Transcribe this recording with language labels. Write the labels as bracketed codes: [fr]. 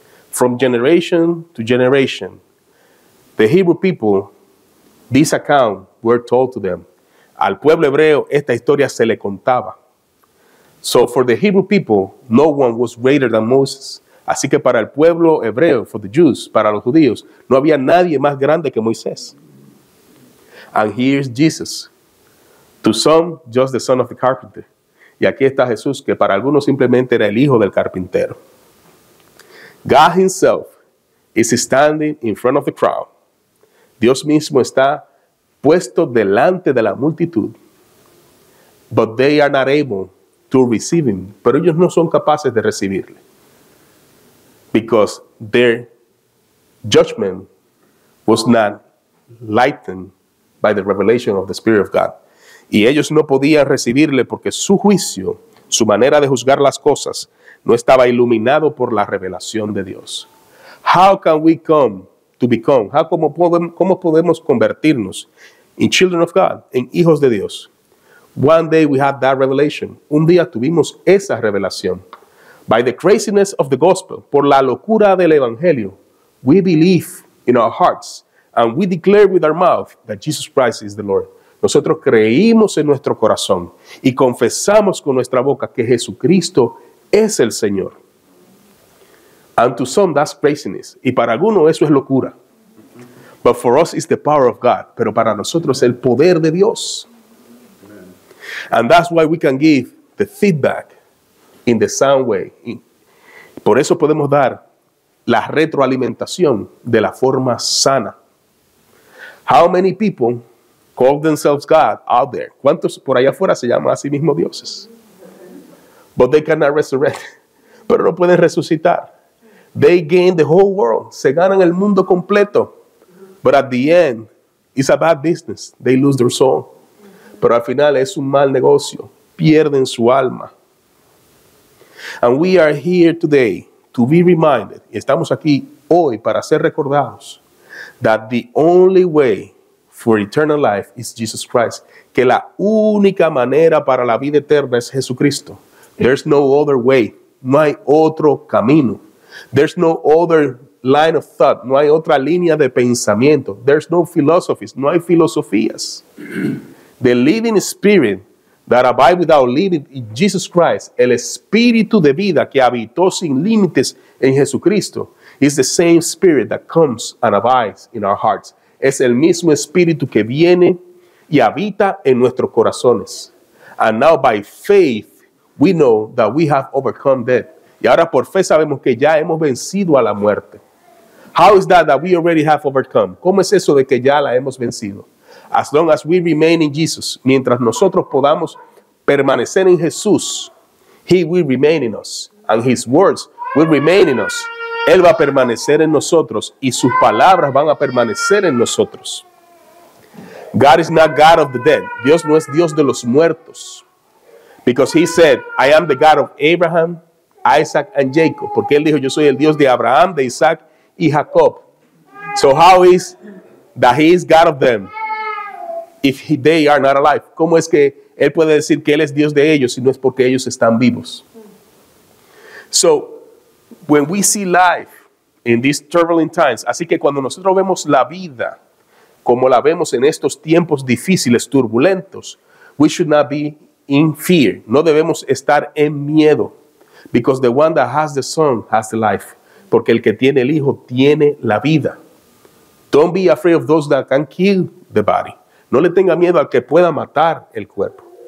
[en] From generation to generation, the Hebrew people, this account were told to them. [es] Al pueblo hebreo, esta historia se le contaba. [en] So for the Hebrew people, no one was greater than Moses. [es] Así que para el pueblo hebreo, [en] for the Jews, [es] para los judíos, no había nadie más grande que Moisés. [en] And here's Jesus. To some, just the son of the carpenter. [es] Y aquí está Jesús, que para algunos simplemente era el hijo del carpintero. [en] God himself is standing in front of the crowd. [es] Dios mismo está puesto delante de la multitud. [en] But they are not able to receive him. [es] Pero ellos no son capaces de recibirle. [en] Because their judgment was not lightened by the revelation of the Spirit of God. [es] Y ellos no podían recibirle porque su juicio, su manera de juzgar las cosas, no estaba iluminado por la revelación de Dios. [en] How can we come to become? [es] ¿Cómo podemos convertirnos [en] in children of God, [es] en hijos de Dios? [en] One day we had that revelation. [es] Un día tuvimos esa revelación. [en] By the craziness of the gospel, [es] por la locura del evangelio, [en] we believe in our hearts and we declare with our mouth that Jesus Christ is the Lord. [es] Nosotros creímos en nuestro corazón y confesamos con nuestra boca que Jesucristo es el Señor. [en] And to some, that's craziness. [es] Y para algunos eso es locura. [en] But for us, it's the power of God. [es] Pero para nosotros, el poder de Dios. [en] And that's why we can give the feedback in the same way. [es] Por eso podemos dar la retroalimentación de la forma sana. [en] How many people call themselves God out there? [es] ¿Cuántos por allá afuera se llaman a sí mismos dioses? [en] But they cannot resurrect. [es] Pero no pueden resucitar. [en] They gain the whole world. [es] Se ganan el mundo completo. [en] But at the end, it's a bad business. They lose their soul. [es] Pero al final es un mal negocio. Pierden su alma. [en] And we are here today to be reminded. [es] Y estamos aquí hoy para ser recordados. [en] That the only way for eternal life is Jesus Christ. [es] Que la única manera para la vida eterna es Jesucristo. [en] There's no other way. [es] No hay otro camino. [en] There's no other line of thought. [es] No hay otra línea de pensamiento. [en] There's no philosophies. [es] No hay filosofías. [en] The living spirit that abides without limit in Jesus Christ, [es] el espíritu de vida que habitó sin límites en Jesucristo, [en] is the same spirit that comes and abides in our hearts. [es] Es el mismo espíritu que viene y habita en nuestros corazones. [en] And now by faith, we know that we have overcome death. [es] Y ahora por fe sabemos que ya hemos vencido a la muerte. [en] How is that we already have overcome? [es] ¿Cómo es eso de que ya la hemos vencido? [en] As long as we remain in Jesus, [es] mientras nosotros podamos permanecer en Jesús, [en] he will remain in us, and his words will remain in us. [es] Él va a permanecer en nosotros y sus palabras van a permanecer en nosotros. [en] God is not God of the dead. [es] Dios no es Dios de los muertos. [en] Because he said, I am the God of Abraham, Isaac and Jacob. [es] Porque él dijo, yo soy el Dios de Abraham, de Isaac y Jacob. [en] So how is that he is God of them if they are not alive? [es] ¿Cómo es que él puede decir que él es Dios de ellos si no es porque ellos están vivos? [en] So, when we see life in these turbulent times, [es] así que cuando nosotros vemos la vida como la vemos en estos tiempos difíciles, turbulentos, [en] we should not be in fear. [es] No debemos estar en miedo. [en] Because the one that has the Son has the life. [es] Porque el que tiene el Hijo tiene la vida. [en] Don't be afraid of those that can kill the body. [es] No le tenga miedo al que pueda matar el cuerpo.